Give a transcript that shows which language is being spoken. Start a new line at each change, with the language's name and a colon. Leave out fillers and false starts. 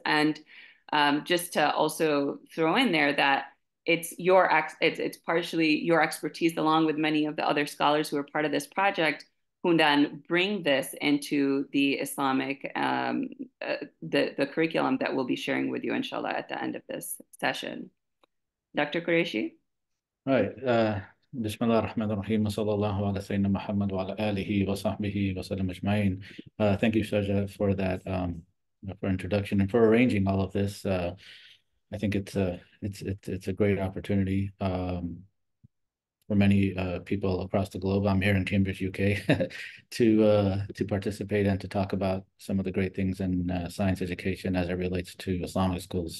English: And just to also throw in there that it's partially your expertise along with many of the other scholars who are part of this project who then bring this into the Islamic, the curriculum that we'll be sharing with you, inshallah, at the end of this session. Dr. Qureshi? Right.
Arabic: بسم الله الرحمن الرحيم صلى الله على سيدنا محمد وعلى آله وصحبه وسلم أجمعين.
English: Thank you, Saja, for that, for introduction and for arranging all of this. I think it's a great opportunity for many people across the globe. I'm here in Cambridge, UK, to participate and to talk about some of the great things in science education as it relates to Islamic schools.